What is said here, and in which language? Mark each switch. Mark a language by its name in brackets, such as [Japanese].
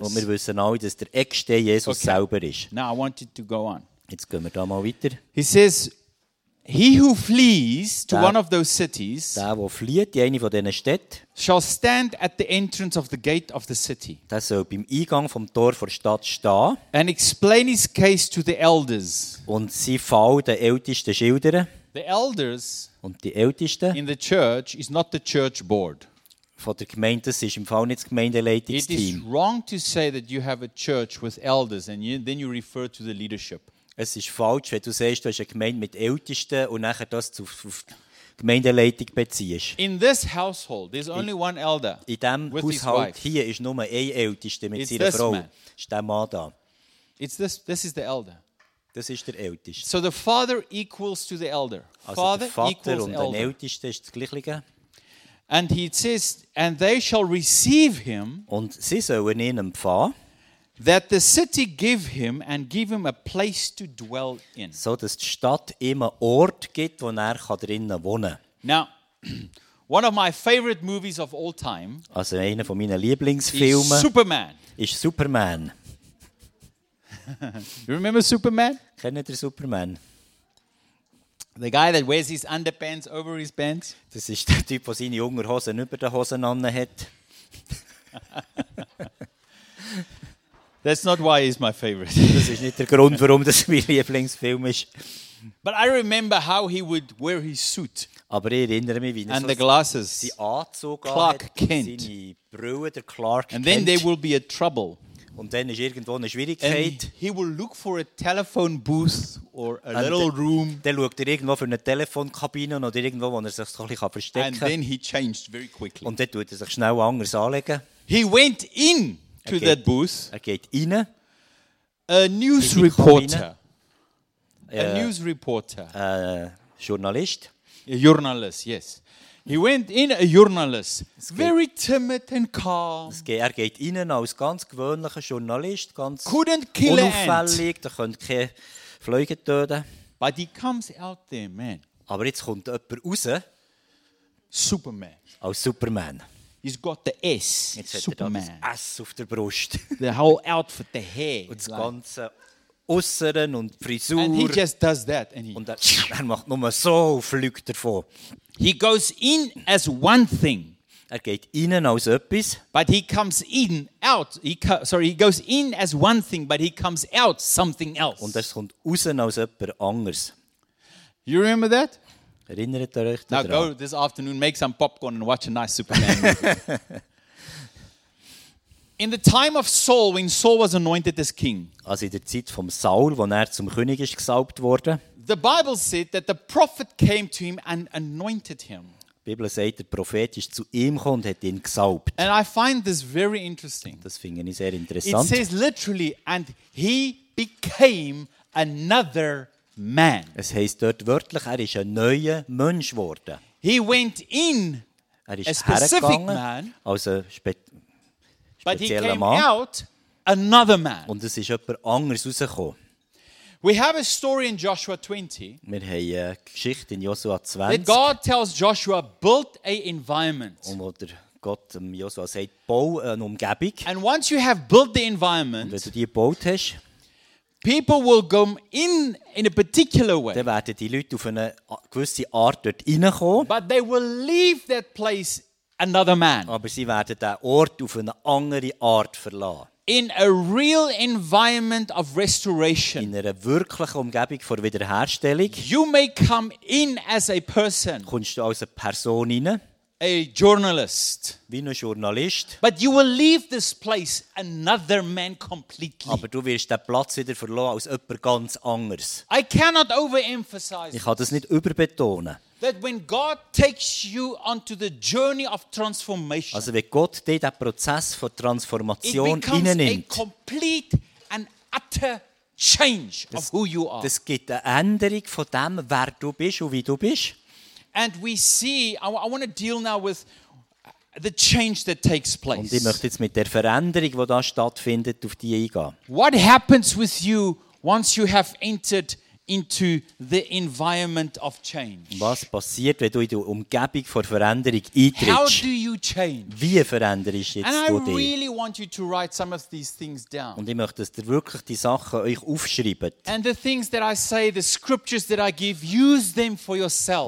[German] Und wir wissen alle, dass der Eckstein Jesus selber ist. [English] Now I wanted to go on. [German] Jetzt gehen wir da mal weiter. [English] He says, he who flees to one of those cities, [German] der, wo flieht, die eine von diesen Städten, [English] shall stand at the entrance of the gate of the city. [German] Der soll beim Eingang vom Tor vor der Stadt stehen. [English] And explain his case to the elders. [German] Und sie fall den Ältesten schildern. [English] The elders [German] und die Ältesten [English] in the church is not the church board. [German] Von der Gemeinde, das ist im Fall nicht das Gemeindeleitungsteam. [English] It is wrong to say that you have a church with elders and then you refer to the leadership. [German] Es ist falsch, wenn du sagst, du hast eine Gemeinde mit Ältesten und nachher das auf Gemeindeleitung beziehst. [English] In this household, there's only one elder. [German] In diesem Haushalt hier ist nur ein Ältester mit seiner Frau. Man. Ist der Mann da. [English] It's this, this is the elder. [German] Das ist der Älteste. [English] So the father equals to the elder. [German] Also der Vater und der Älteste ist das Gleiche. [English] And he says, and they shall receive him. [German] Und sie sollen ihn empfangen. [English] That the city give him and give him a place to dwell in. [German] So dass die Stadt ihm einen Ort gibt, wo er drinnen wohnen kann. [English] Now, one of my favorite movies of all time. [German] Also einer von meinen Lieblingsfilmen. [English] Is Superman. [German] Ist Superman. [English] You remember Superman? [German] Kennt ihr Superman? [English] The guy that wears his underpants over his pants. [German] Das ist der Typ, der seine Unterhosen über den Hosen an hat. [English] That's not why he's my favorite. [German] Das ist nicht der Grund, warum das mein Lieblingsfilm ist. [English] But I remember how he would wear his suit. [German] Aber ich erinnere mich, wie er seinen Anzug Clark hat, Kent. Seine Brühe, der Clark [English] and Then there will be a trouble. [German] Und dann ist irgendwo eine Schwierigkeit. [English] He will look for a telephone booth or a and little room. [German] Dann schaut er irgendwo für eine Telefonkabine oder irgendwo, wo er sich so ein bisschen verstecken kann. [English] And then he changed very quickly. [German] Und dann tut er sich schnell anders anlegen. [English] He went in to that booth. [German] Er geht rein. [English] A news reporter. A news reporter. [German] Journalist. [English] A journalist, yes. He went in a journalist, very timid and calm. [German] Er geht innen als ganz gewöhnlicher Journalist, ganz [English] couldn't kill [German] unauffällig, da könnt keine Fliegen töten. [English] But he comes out there, man. [German] Aber jetzt kommt jemand raus. [English] Superman. [German] Als Superman. [English] He's got the S. [German] Jetzt Superman. Hat er das S auf der Brust. [English] The whole outfit, the hair. [German] Und das ganze Äußeren und Frisur. [English] And he just does that. And he [German] und er macht nur so und fliegt davon. [English] He goes in as one thing. [German] Er geht innen als etwas. [English] But he comes in out. He goes in as one thing, but he comes out something else. [German] Und es kommt außen als jemand anders. [English] You remember that? [German] Erinnert ihr euch daran? [English] Now go this afternoon, make some popcorn and watch a nice Superman movie. In the time of Saul, when Saul was anointed as king. [German] Also in der Zeit vom Saul, wo er zum König ist gesalbt worden. [English] The Bible said that the prophet came to him and anointed him. [German] Die Bibel sagt, der Prophet ist zu ihm gekommen und hat ihn gesalbt. [English] And I find this very interesting. [German] Das finde ich sehr interessant. [English] It says literally, and he became another man. [German] Es heisst dort wörtlich, er ist ein neuer Mensch geworden. [English] He went in [German] er ist [English] a specific man, [German] als ein spezieller [English] but he came [German] Mann. [English] Out another man. [German] Und es ist jemand anderes rausgekommen. [English] We have a story in Joshua 20. [German] Wir haben eine Geschichte in Joshua 20. [English] That God tells Joshua, build a environment. [German] Und wo der Gott Joshua sagt, bau eine Umgebung. [English] And once you have built the environment, [German] und wenn du die gebaut hast, [English] people will go in a particular way. [German] Dann werden die Leute auf eine gewisse Art dort reinkommen. [English] But they will leave that place another man. [German] Aber sie werden den Ort auf eine andere Art verlassen. [English] In a real environment of restoration. [German] In einer wirklichen Umgebung vor Wiederherstellung. [English] You may come in as a person. [German] Kommst du als eine Person rein? [English] A journalist. [German] Wie ein Journalist. [English] But you will leave this place another man completely. [German] Aber du wirst den Platz wieder verlassen als jemand ganz anders. [English] I cannot overemphasize. [German] Ich kann das nicht überbetonen. [English] That when God takes you onto the journey of transformation, [German] also wenn Gott dir den Prozess von Transformation innen nimmt, [English] it becomes a complete and utter change of who you are. [German] Das gibt eine Änderung von dem, wer du bist und wie du bist. [English] And we see, I want to deal now with the change that takes place. [German] Und ich möchte jetzt mit der Veränderung, die da stattfindet, auf die eingehen. [English] What happens with you once you have entered into the environment of change? [German] Was passiert, wenn du in die Umgebung von Veränderung eintrittst? [English] How do you change? [German] Wie veränderst jetzt [English] And [German] du [English] I [German] dich? [English] Really want you to write some of these things down. [German] Und ich möchte, dass ihr wirklich die Sachen euch aufschreibt. [English] And the things that I say, the scriptures that I give, use them for yourself.